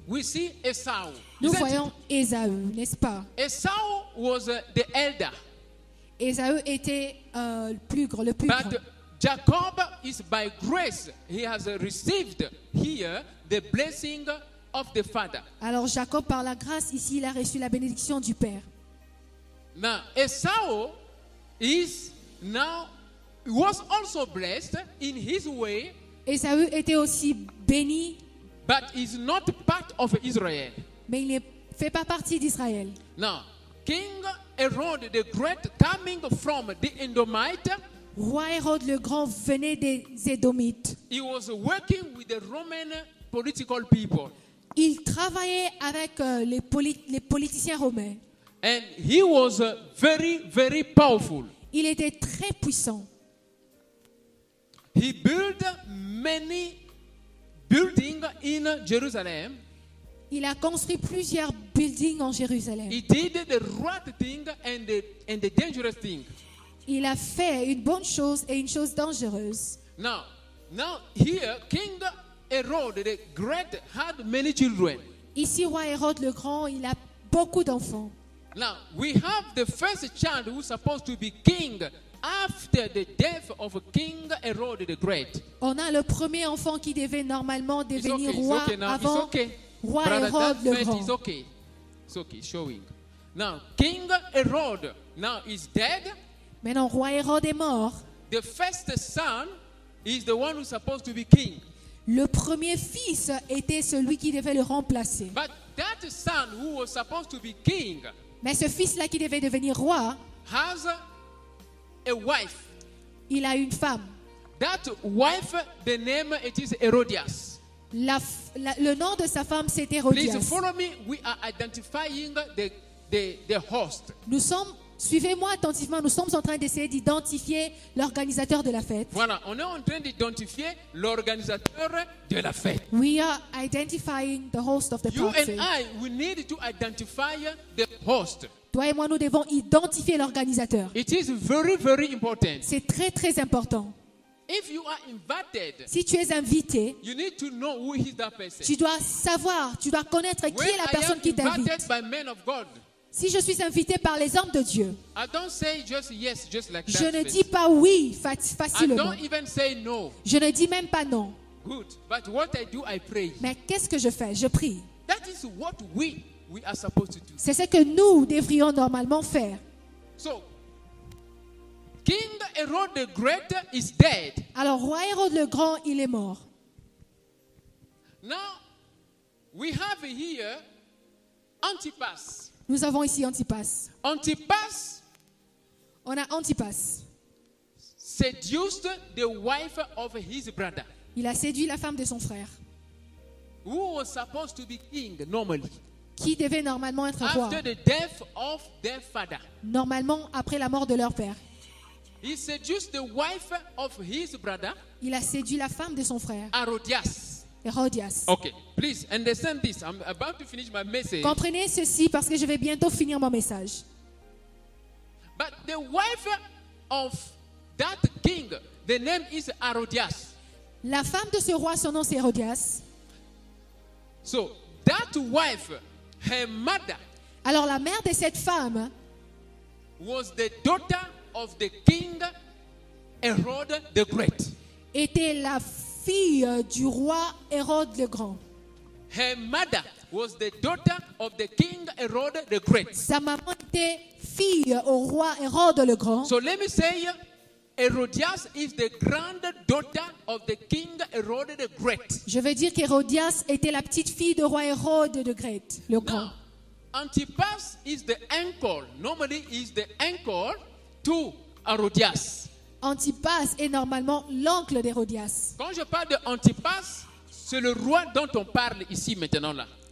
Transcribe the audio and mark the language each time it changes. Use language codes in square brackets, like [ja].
[en] We see Esau. [fr] Nous voyons Esau, n'est-ce pas? [en] Esau was the elder. [fr] Esau était le plus grand. [en] But Jacob is by grace. He has received here the blessing of the father. [fr] Alors Jacob par la grâce ici il a reçu la bénédiction du père. [en] Now Esau is now was also blessed in his way. [fr] Esau était aussi béni. [en] But he's not part of Israel. [fr] Mais il ne fait pas partie d'Israël. [en] Now, King Herod the Great coming from the Edomites. [fr] Roi Herod le Grand venait des Édomites. [en] He was working with the Roman political people. [fr] Il travaillait avec les politiciens romains. [en] And he was very, very powerful. [fr] Il était très puissant. [en] He built many buildings in Jerusalem. [fr] Il a construit plusieurs buildings en Jérusalem. [en] He did the right thing and the dangerous thing. [fr] Il a fait une bonne chose et une chose dangereuse. [en] Now here King Herod the Great had many children. [fr] Ici roi Hérode le Grand, il a beaucoup d'enfants. [en] Now we have the first child who's supposed to be king. After the death of King Herod the Great. [fr] On a le premier enfant qui devait normalement devenir roi avant roi Herod le Grand. [en] It's okay. It's okay. Showing. Now King Herod now is dead. [fr] Maintenant roi Herod est mort. [en] The first son is the one who's supposed to be king. [fr] Le premier fils était celui qui devait le remplacer. [en] But that son who was supposed to be king. [fr] Mais ce fils là qui devait devenir roi [en] has a wife. [fr] Il a une femme. [en] That wife, the name it is Herodias. [fr] Le nom de sa femme c'est Herodias. [en] Please follow me. We are identifying the host. [fr] Nous sommes, suivez-moi attentivement. Nous sommes en train d'essayer d'identifier l'organisateur de la fête. Voilà, on est en train d'identifier l'organisateur de la fête. [en] We are identifying the host of the you party. You and I, we need to identify the host. [fr] Toi et moi, nous devons identifier l'organisateur. [en] It is very, very important. [fr] C'est très, très important. [en] If you are invited, [fr] si tu es invité, [en] you need to know who is that person. [fr] Tu dois savoir, tu dois connaître qui [en] when [fr] est la personne qui t'invite. [en] By men of God, [fr] si je suis invité par les hommes de Dieu, [en] I don't say just yes, just like that [fr] je ne dis pas oui facilement. [en] I don't even say no. [fr] Je ne dis même pas non. [en] Good. But what I do, I pray. [fr] Mais qu'est-ce que je fais? Je prie. [en] That is what we are supposed to do. [fr] C'est ce que nous devrions normalement faire. [en] So, King Herod the Great is dead. [fr] Alors, roi Herod le Grand, il est mort. [en] Now, we have here Antipas. [fr] Nous avons ici Antipas. Antipas. On a Antipas. [en] Seduced the wife of his brother. [fr] Il a séduit la femme de son frère. [en] Who was supposed to be king normally? [fr] Qui devait normalement être [en] after [fr] roi. [en] After the death of their father. [fr] Normalement après la mort de leur père. [en] He seduced the wife of his brother. [fr] Il a séduit la femme de son frère. Herodias. Herodias. [en] Okay, please understand this. I'm about to finish my message. [fr] Comprenez ceci parce que je vais bientôt finir mon message. [en] But the wife of that king, the name is Herodias. [fr] La femme de ce roi, son nom c'est Herodias. [en] So that wife. Her mother. [fr] Alors la mère de cette femme [en] was the daughter of the king Herod the Great. [fr] Était la fille du roi Herod le Grand. [en] Her mother was the daughter of the king Herod the Great. [fr] Sa maman était fille au roi Herod le Grand. [en] So let me say Herodias is the granddaughter of the king Herod the Great. [fr] Je veux dire qu'Hérodias était la petite fille de roi Hérode de Great, le grand. [en] Antipas is the uncle. Normally, is the uncle to Herodias. [fr] Antipas est normalement l'oncle d'Hérodias. Quand je parle d'Antipas, c'est le roi dont on parle ici maintenant là.